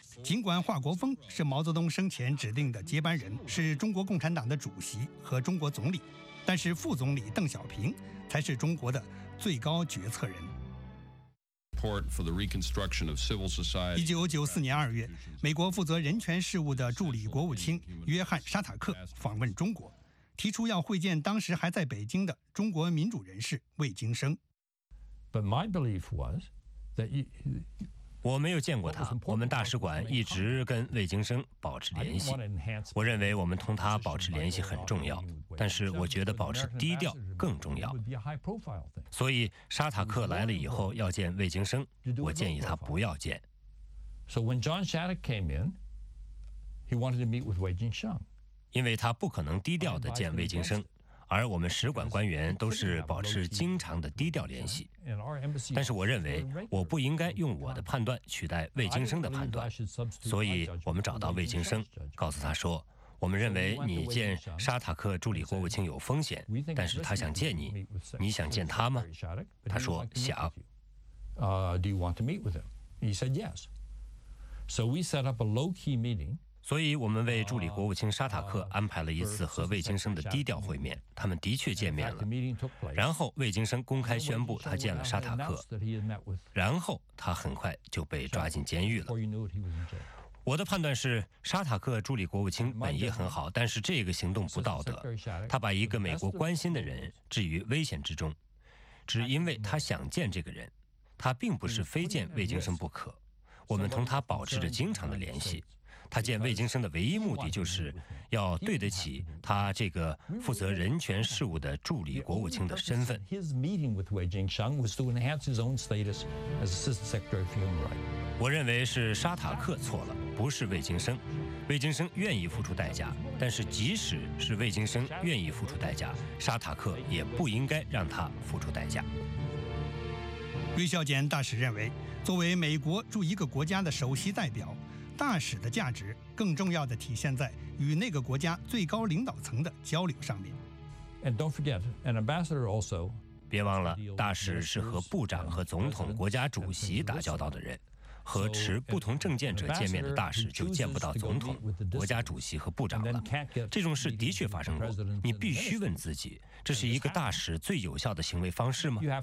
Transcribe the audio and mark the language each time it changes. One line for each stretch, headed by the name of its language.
Chinese: 尽管华国锋是毛泽东生前指定的接班人，是中国共产党的主席和中国总理，但是副总理邓小平才是中国的最高决策人。 1994年2月，美国负责人权事务的助理国务卿约翰·沙塔克访问中国，提出要会见当时还在北京的中国民主人士魏京生。
English: But my belief was that you...
Chinese: 我没有见过他，我们大使馆一直跟魏京生保持联系，我认为我们同他保持联系很重要，但是我觉得保持低调更重要，所以沙塔克来了以后要见魏京生，我建议他不要见。
English: So when John Shattuck came in, he wanted to meet with Wei Jingsheng.
Chinese: 因为他不可能低调地见魏京生，而我们使馆官员都是保持经常的低调联系，但是我认为我不应该用我的判断取代魏京生的判断，所以我们找到魏京生，告诉他说，我们认为你见沙塔克助理国务卿有风险，但是他想见你，你想见他吗？他说想。
English: Do you want to meet with him? He said yes. So we set up a low-key meeting.
Chinese: 所以我们为助理国务卿沙塔克安排了一次和魏京生的低调会面，他们的确见面了，然后魏京生公开宣布他见了沙塔克，然后他很快就被抓进监狱了。我的判断是，沙塔克助理国务卿本意很好，但是这个行动不道德，他把一个美国关心的人置于危险之中，只因为他想见这个人，他并不是非见魏京生不可，我们同他保持着经常的联系，他见魏京生的唯一目的就是要对得起他这个负责人权事务的助理国务卿的身份。
English: His meeting with Wei Jingsheng was to enhance his own status as Assistant Secretary of Human Rights.
Chinese: 我认为是沙塔克错了，不是魏京生。魏京生愿意付出代价，但是即使是魏京生愿意付出代价，沙塔克也不应该让他付出代价。瑞孝俭大使认为，作为美国驻一个国家的首席代表，大使的价值更重要的体现在与那个国家最高领导层的交流上面。
English: And don't forget, an ambassador also.
Chinese: 别忘了，大使是和部长和总统、国家主席打交道的人，和持不同政见者见面的大使就见不到总统、国家主席和部长了。这种事的确发生过。你必须问自己，这是一个大使最有效的行为方式吗？